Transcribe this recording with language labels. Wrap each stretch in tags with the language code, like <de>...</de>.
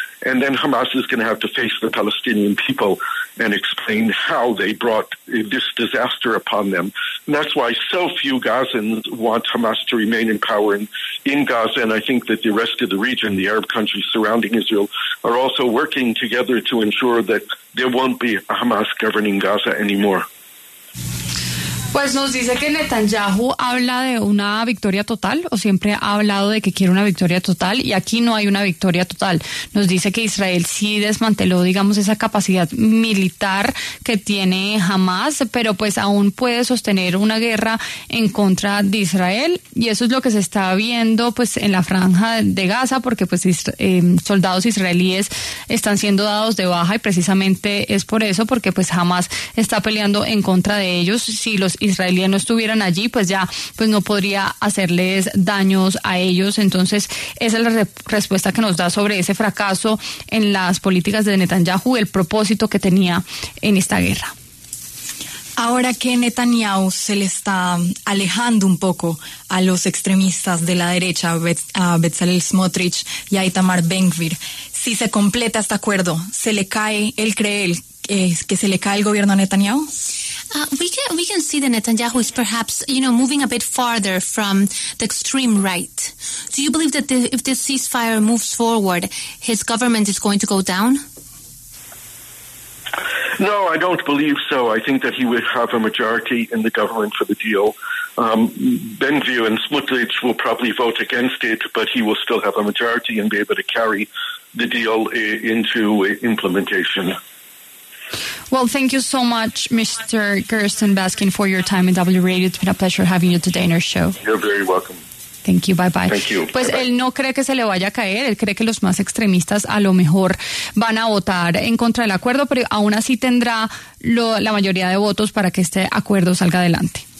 <en>And then Hamas is going to have to face the Palestinian people and explain how they brought this disaster upon them. And that's why so few Gazans want Hamas to remain in power in Gaza. And I think that the rest of the region, the Arab countries surrounding Israel, are also working together to ensure that there won't be a Hamas governing Gaza anymore.</en> <es>Pues nos dice que Netanyahu habla de una victoria total, o siempre ha hablado de que quiere una victoria total, y aquí no hay una victoria total. Nos dice que Israel sí desmanteló, digamos, esa capacidad militar que tiene Hamas, pero pues aún puede sostener una guerra en contra de Israel, y eso es lo que se está viendo pues en la franja de Gaza, porque pues soldados israelíes están siendo dados de baja, y precisamente es por eso, porque pues Hamas está peleando en contra de ellos. Si los israelíes no estuvieran allí, pues ya pues no podría hacerles daños a ellos. Entonces esa es la respuesta que nos da sobre ese fracaso en las políticas de Netanyahu, el propósito que tenía en esta guerra. Ahora que Netanyahu se le está alejando un poco a los extremistas de la derecha, a Bezalel Smotrich y a Itamar Ben-Gvir, si se completa este acuerdo, ¿se le cae el creer que se le cae el gobierno a Netanyahu?</es> <en>We can see that Netanyahu is perhaps, you know, moving a bit farther from the extreme right. Do you believe that if this ceasefire moves forward, his government is going to go down? No, I don't believe so. I think that he would have a majority in the government for the deal. Ben-Gvir and Smotrich will probably vote against it, but he will still have a majority and be able to carry the deal into implementation. Well, thank you so much, Mr. Gersten Baskin, for your time in W Radio. It's been a pleasure having you today in our show. You're very welcome. Thank you, bye bye. Thank you.</en> <es>Pues</es> <en>bye</en> <es>él bye. No cree que se le vaya a caer, él cree que los más extremistas a lo mejor van a votar en contra del acuerdo, pero aún así tendrá la mayoría de votos para que este acuerdo salga adelante.</es>